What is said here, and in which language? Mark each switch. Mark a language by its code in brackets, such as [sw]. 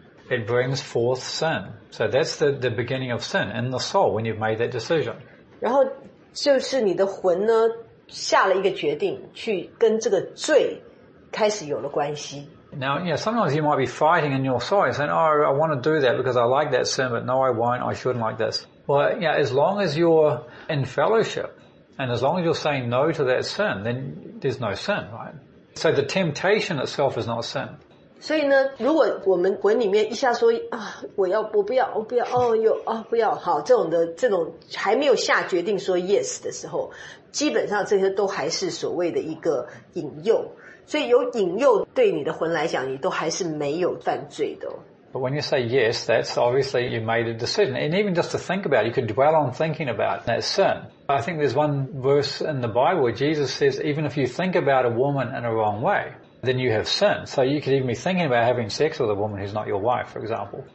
[en] ，It brings forth sin. So that's the beginning of sin in the soul when you've made that decision. [zh] 然后就是你的魂呢下了一个决定，去跟这个罪开始有了关系。 [en] Now, yeah, you know, sometimes you might be fighting in your soul, saying, "Oh, I want to do that because I like that sin, but no, I won't. I shouldn't like this." Well, yeah, as long as you're in fellowship and as long as you're saying no to that sin, then there's no sin, right? So the temptation itself is not sin. [zh] 所以呢,如果我们魂里面一下说,我要,我不要,哦,不要,哦,这种的,这种还没有下决定说yes的时候,基本上这些都还是所谓的一个引诱。所以有引诱对你的魂来讲,你都还是没有犯罪的。 [en] But when you say yes, that's obviously you made a decision. And even just to think about it, you could dwell on thinking about that sin. I think there's one verse in the Bible where Jesus says, even if you think about a woman in a wrong way, then you have sin. So you could even be thinking about having sex with a woman who's not your wife, for example.